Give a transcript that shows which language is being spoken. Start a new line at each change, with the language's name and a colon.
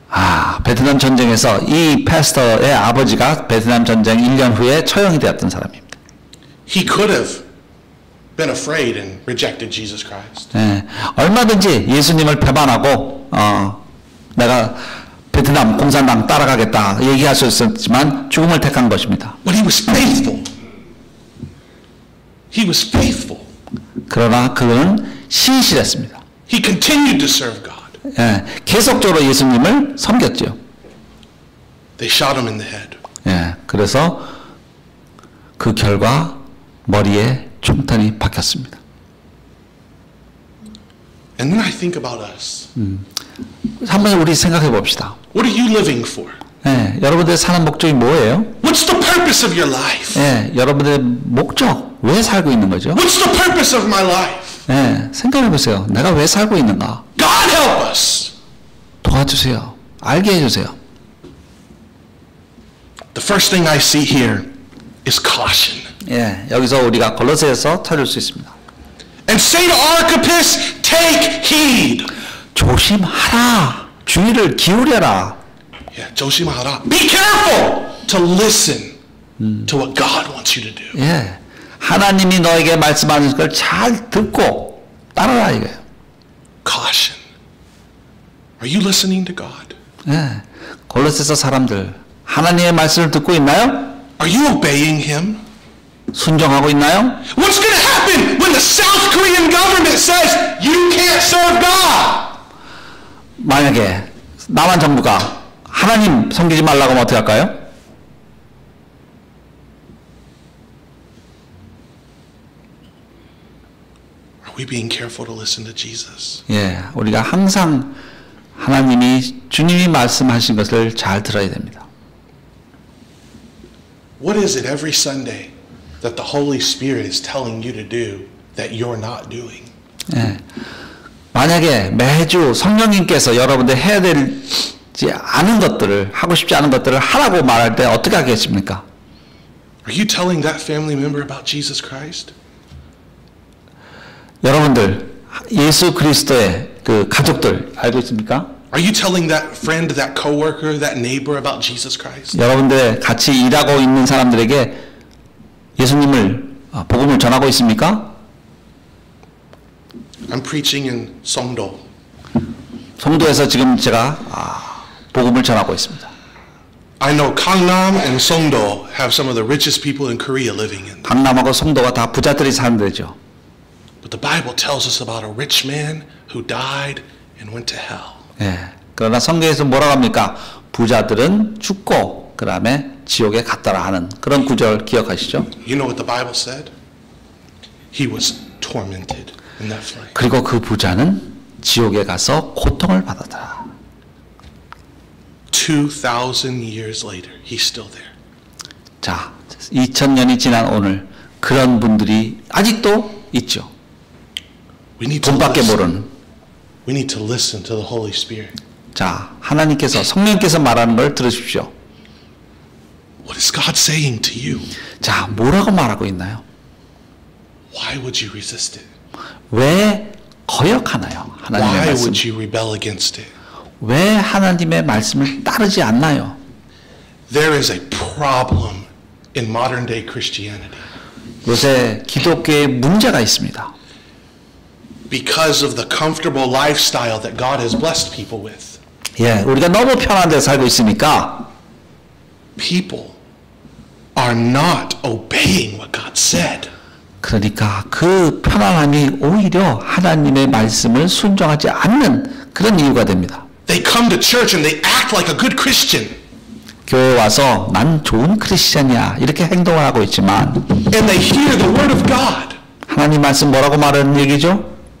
Korean: 아, 베트남 전쟁에서 이 패스터의 아버지가 베트남 전쟁 1년 후에 처형이 되었던 사람입니다.
English: He could have been afraid and rejected Jesus Christ.
Korean: 예, 얼마든지 예수님을 배반하고 내가 베트남 공산당 따라가겠다 얘기할 수 있었지만 죽음을 택한 것입니다.
English: But he was faithful. He was faithful.
Korean: 그러나 그는 신실했습니다.
English: He continued to serve God.
Korean: 예, 계속적으로 예수님을 섬겼죠.
English: They shot him in the head.
Korean: 예, 그래서 그 결과 머리에 총탄이 박혔습니다.
English: And then I think about us.
Korean: 한번 우리 생각해 봅시다.
English: What are you living for?
Korean: 예, 여러분들 사는 목적이 뭐예요?
English: What's the purpose of your life?
Korean: 예, 여러분들 목적 왜 살고 있는 거죠?
English: What's the purpose of my life?
Korean: 예, 생각해 보세요. 내가 왜 살고 있는가?
English: God help us.
Korean: 도와주세요. 알게 해주세요.
English: The first thing I see here is caution.
Korean: 예, 여기서 우리가 골로새에서 찾을 수 있습니다.
English: And say to Archippus, take heed.
Korean: 조심하라. 주의를 기울여라. Yeah, 조심하라.
English: Be careful to listen to what God wants you to do.
Korean: 예, 하나님이 너에게 말씀하는 걸 잘 듣고 따라라 이거예요.
English: Caution. Are you listening to God?
Korean: 예, 골로새에서 사람들 하나님의 말씀을 듣고 있나요?
English: Are you obeying Him?
Korean: 순종하고 있나요?
English: What's going to happen when the South Korean government says you can't serve God?
Korean: 만약에 남한 정부가 하나님 섬기지 말라고 하면 어떻게 할까요?
English: Are we being careful to listen to Jesus?
Korean: 예, 우리가 항상 하나님이 주님이 말씀하신 것을 잘 들어야 됩니다.
English: What is it every Sunday that the Holy Spirit is telling you to do that you're not doing?
Korean: 예, 만약에 매주 성령님께서 여러분들 해야 되지 않은 것들을 하고 싶지 않은 것들을 하라고 말할 때 어떻게 하겠습니까?
English: Are you telling that family member about Jesus Christ?
Korean: 여러분들 예수 그리스도의 그 가족들 알고 있습니까?
English: Are you telling that friend, that coworker, that neighbor about Jesus Christ?
Korean: 여러분들 같이 일하고 있는 사람들에게 예수님을 복음을 전하고 있습니까?
English: I'm preaching in Songdo.
Korean: 송도에서 지금 제가 복음을 전하고 있습니다.
English: I know Gangnam and Songdo have some of the richest people in Korea living in.
Korean: 강남하고 송도가 다 부자들이 사는 데죠.
English: But the Bible tells us about a rich man who died and went to hell.
Korean: 예. 그러나 성경에서 뭐라고 합니까? 부자들은 죽고 그다음에 지옥에 갔더라 하는 그런 구절 기억하시죠?
English: You know what the Bible said? He was tormented in that flame.
Korean: 그리고 그 부자는 지옥에 가서 고통을 받았다.
English: 2000 years later, he's still there.
Korean: 자, 2000년이 지난 오늘 그런 분들이 아직도 있죠. 돈밖에 모르는.
English: We need to listen to the Holy Spirit.
Korean: 자, 하나님께서 성령께서 말하는 걸 들으십시오.
English: What is God saying to you?
Korean: 자, 뭐라고 말하고 있나요?
English: Why would you resist it?
Korean: 왜 거역하나요? 하나님의
English: Why
Korean: 말씀.
English: Would you rebel against it?
Korean: 왜 하나님의 말씀을 따르지 않나요?
English: There is a problem in modern day Christianity.
Korean: 요새 기독교에 문제가 있습니다.
English: Because of the comfortable lifestyle that God has blessed people with.
Korean: 예, 우리가 너무 편한 데 살고 있으니까
English: people are not obeying what God said.
Korean: 그러니까 그 편안함이 오히려 하나님의 말씀을 순종하지 않는 그런 이유가 됩니다.
English: They come to church and they act like a good Christian.
Korean: 교회 와서 난 좋은 크리스천이야 이렇게 행동을 하고 있지만
English: and they hear the word of God.
Korean: 하나님 말씀 뭐라고 말하는 얘기죠?